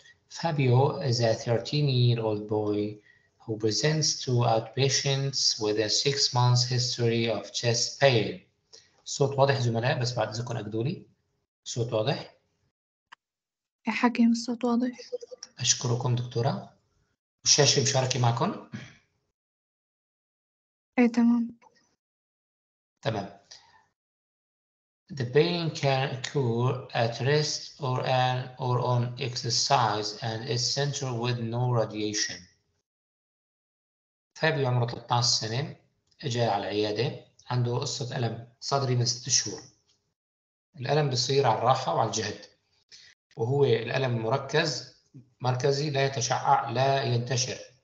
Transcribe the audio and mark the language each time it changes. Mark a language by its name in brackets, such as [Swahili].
[English] Fabio is a 13-year-old boy who presents to outpatients with a 6-month history of chest pain. [Arabic] صوت واضح زملاء بس بعد إذنكم أكدوا لي. صوت واضح؟ يا حكيم الصوت واضح. أشكركم دكتورة. الشاشة مشاركة معكم؟ أي تمام. تمام. [English] The pain can occur at rest or an or on exercise and is central with no radiation. [Arabic] فابيو عمره 13 سنة، أجا على العيادة عنده قصة ألم صدري من 6 شهور. الألم بصير على الراحة وعلى الجهد، وهو الألم مركز مركزي لا يتشعّع لا ينتشر.